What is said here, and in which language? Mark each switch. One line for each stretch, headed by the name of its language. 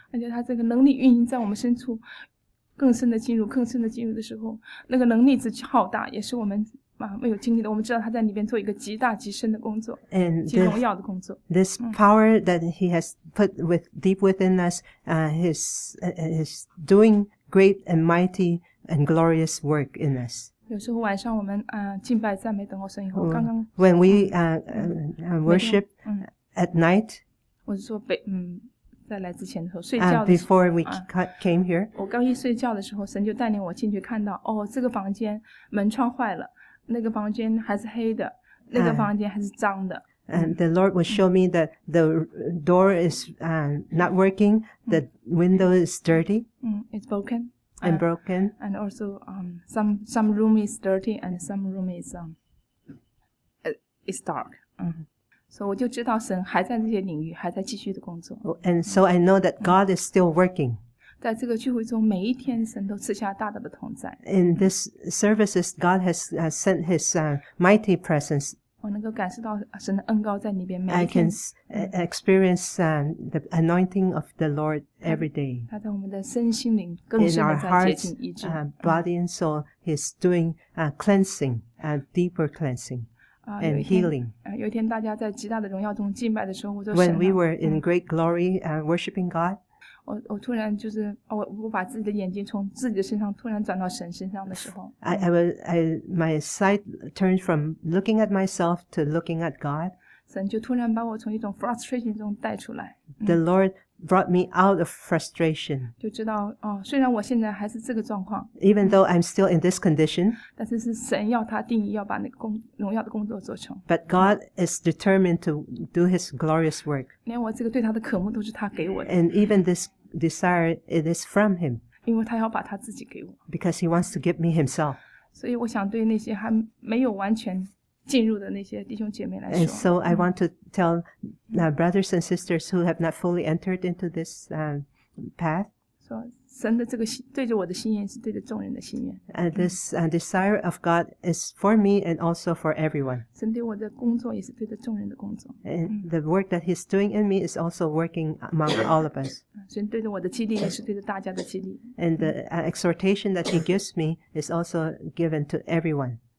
Chinese: 而且他这个能力运营在我们深处，更深的进入，更深的进入的时候，那个能力之浩大，也是我们没有经历的。我们知道他在里面做一个极大极深的工作，极荣耀的工作。
English: This power that He has put with deep within us, is doing great and mighty and glorious work in us.
Chinese: 有时候晚上我们敬拜赞美等候神以后，刚刚
English: when we worship at night，
Chinese: 我是说在来之前的时候睡觉的
English: 时候。Before we came here，
Chinese: 我刚一睡觉的时候，神就带领我进去看到，哦，这个房间门窗坏了，那个房间还是黑的，那个房间还是脏的。
English: And the Lord will show me that the door is not working， the window is dirty， it's broken。 And broken. And also, some room is dirty and some room is dark.
Chinese: So 我就知道神还在这些领域还在继续的工作。
English: And so I know that God is still working.
Chinese: 在这个聚会中每一天神都赐下大大的同在。
English: In this services, God has sent His mighty presence.
Chinese: 我能够感受到神的恩膏在里边每一
English: 天。I can experience the anointing of the Lord every day.
Chinese: 他在我们的身心灵更深的在洁净医治。
English: In our hearts, body and soul, He's doing cleansing, deeper cleansing and healing.
Chinese: 有一天大家在极大的荣耀中敬拜的时候，我就
English: When we were in great glory worshiping God,
Chinese: 我突然就是我把自己的眼睛从自己的身上突然转到神身上的时候
English: my sight turned from looking at myself to looking at God.
Chinese: 神就突然把我从一种 frustration 中带出来。
English: The Lord brought me out of frustration.
Chinese: 就知道虽然我现在还是这个状况
English: even though I'm still in this condition.
Chinese: 但是是神要他定义要把那个荣耀的工作做成。
English: But God is determined to do His glorious work.
Chinese: 连我这个对他的渴慕都是他给我的。
English: And even this desire, it is from Him.
Chinese: 因为他要把他自己给我。
English: Because He wants to give me Himself.
Chinese: 所以我想对那些还没有完全进入的那些弟兄姐妹来说。
English: And so I want to tell brothers and sisters who have not fully entered into this path. So,
Chinese: 神的这个心对着我的心愿是对着众人的心愿。
English: And this desire of God is for me and also for everyone.
Chinese: 神对我的工作也是对着众人的工作。
English: And the work that He's doing in me is also working among all of us.
Chinese: 神对着我的激励也是对着大家的激励。
English: And the exhortation that He gives me is also given to everyone.